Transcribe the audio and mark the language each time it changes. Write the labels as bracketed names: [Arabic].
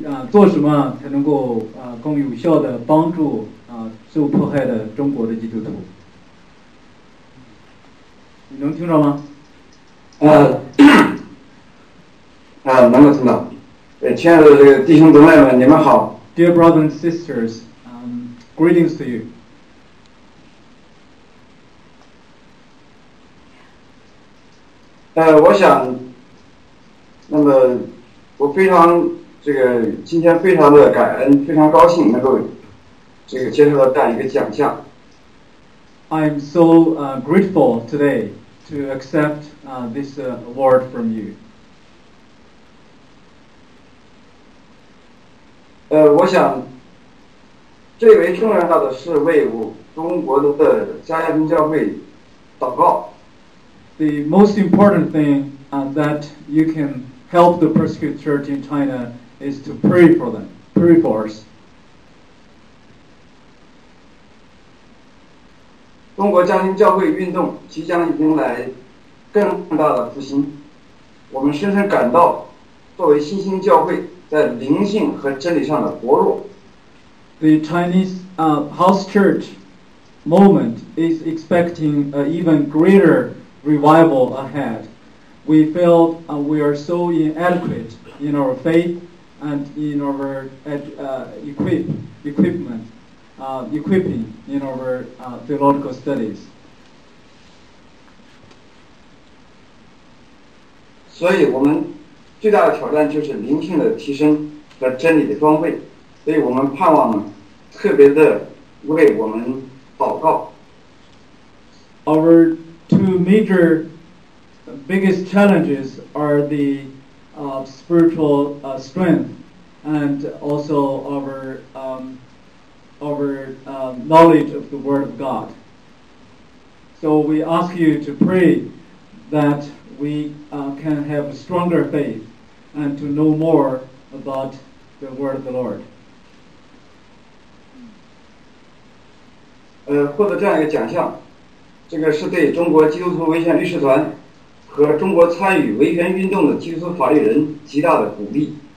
[Chinese] 做什么才能够更有效的帮助受迫害的中国的基督徒？你能听着吗？能够听到。亲爱的弟兄姊妹们，你们好。 [English] Dear brothers and sisters, greetings to you. [Chinese] 我想，那么我非常。这个今天非常的感恩，非常高兴能够这个接受到这样一个奖项。 [English] I'm so grateful today to accept this award from you. [Chinese] 我想最为重要的是为我中国的加亚东教会祷告。 [English] The most important thing that you can help the persecuted church in China. Is to pray for them, pray for us. [Chinese] 中国加兴教会运动即将迎来更大的复兴，我们深深感到，作为新兴教会，在灵性和真理上的薄弱。 [English] The Chinese House Church movement is expecting an even greater revival ahead. We feel we are so inadequate in our faith. And in our equipping in our theological studies. [Chinese] 所以我们最大的挑战就是灵性的提升和真理的装备。所以我们盼望特别的为我们祷告。 [English] Our two major biggest challenges are the spiritual strength. And also our knowledge of the Word of God. So we ask you to pray that we can have a stronger faith and to know more about the Word of the Lord. [Chinese] 获得这样一个奖项，这个是对中国基督徒维权律师团和中国参与维权运动的基督徒法律人极大的鼓励。